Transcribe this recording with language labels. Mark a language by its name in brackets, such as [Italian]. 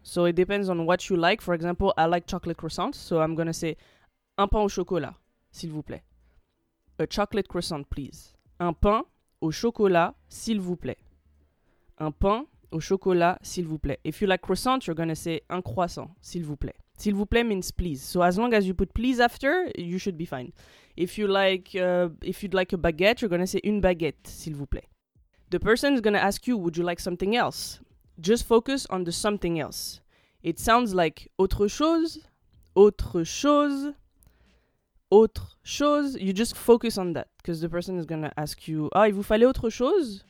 [English] So it depends on what you like. For example, I like chocolate croissants. So I'm gonna say [French] un pain au chocolat, s'il vous plaît. [English] A chocolate croissant, please. [French] Un pain au chocolat, s'il vous plaît. Un pain au chocolat, s'il vous plaît. [English] If you like croissants, you're gonna say [French] un croissant, s'il vous plaît. S'il vous plaît [English] means please. So as long as you put please after, you should be fine. If you'd like a baguette, you're gonna say [French] une baguette, s'il vous plaît. [English] The person is gonna ask you, would you like something else? Just focus on the something else. It sounds like [French] autre chose, autre chose, autre chose. [English] You just focus on that because the person is gonna ask you, [French] ah, il vous fallait autre chose?